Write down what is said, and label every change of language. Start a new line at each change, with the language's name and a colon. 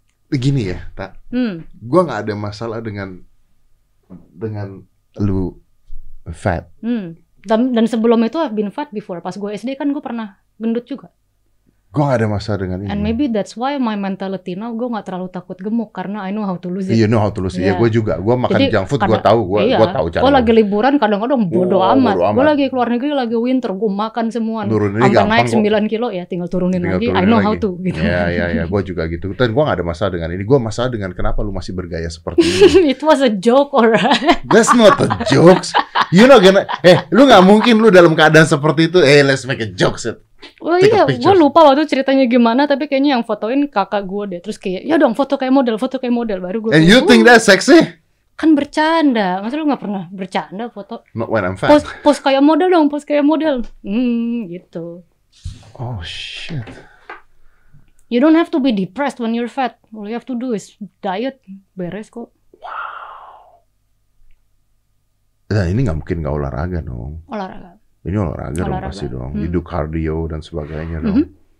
Indonesian: Begini ya, tak? Gue gak ada masalah dengan lu fat. Dan sebelum itu
English: I've been fat before.
Indonesian: Pas gue SD kan gue pernah gendut juga. Gue gak ada masalah dengan ini.
English: And maybe that's why my mentality now
Indonesian: gue gak terlalu takut gemuk karena
English: I know how to lose it. You know how to lose it. Yeah.
Indonesian: Ya gue juga. Gue makan junk food gue tahu. Gue tahu cara. Gue lagi liburan kadang-kadang bodo amat. Gue lagi keluar negeri lagi winter gue makan semua. Turunin gampang. Naik 9 kilo ya tinggal turunin lagi. Turunin
English: I know
Indonesian: lagi.
English: How to.
Indonesian: Gitu. Ya. Gue juga gitu. Dan gue gak ada masalah dengan ini. Gue masalah dengan kenapa lu masih bergaya seperti ini.
English: It was a joke, alright.
Indonesian: That's not a joke. You know, gonna, lu gak mungkin lu dalam keadaan seperti itu.
English: Hey, let's make a joke, set.
Indonesian: Oh iya, gue lupa waktu ceritanya gimana, tapi kayaknya yang fotoin kakak gue deh. Terus kayak, ya dong foto kayak model, baru gue.
English: And you think that sexy?
Indonesian: Kan bercanda, masa lu gak pernah bercanda foto?
English: Not when I'm fat.
Indonesian: Post kayak model dong, post kayak model. Gitu.
English: Oh shit. You don't have to be depressed when you're fat. All you have to do is diet,
Indonesian: beres kok. Nah ini gak mungkin gak olahraga dong. Olahraga. Ini olahraga dong pasti dong.
English: You do
Indonesian: cardio dan sebagainya dong.